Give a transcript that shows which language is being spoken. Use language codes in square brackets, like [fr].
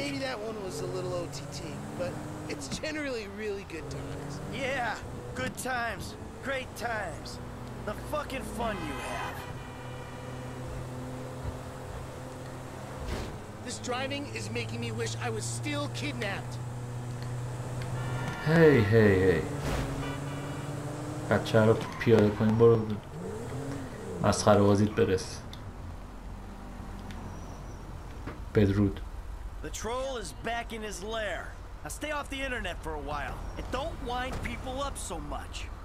[en] Maybe that one was a little OTT, but it's generally really good times. Yeah, good times, great times. The fucking fun you have. driving is making me wish I was still kidnapped. Hey, hey, hey. [fa] بچه رو تو پیاده کنیم برو مسخره بازیت برس بدرود. [en] The troll is back in his lair. Now stay off the internet for a while and don't wind people up so much.